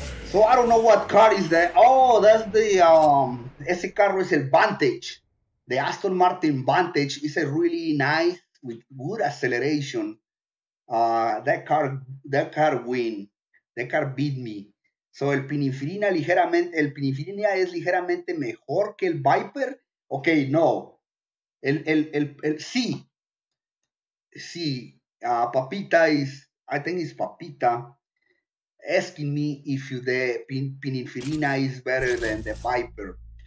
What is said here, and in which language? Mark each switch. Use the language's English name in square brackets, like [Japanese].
[English] So I don't know what car is that. Oh, that's the [Spanish] ese carro es el Vantage. [English] The Aston Martin Vantage is a really nice with good acceleration. That car win. That car beat me. [Spanish] So el Pininfarina es ligeramente mejor que el Viper. Okay, no. El sí. [English] Sí, Papita is, I think it's Papita, asking me if the Pininfarina is better than the Viper.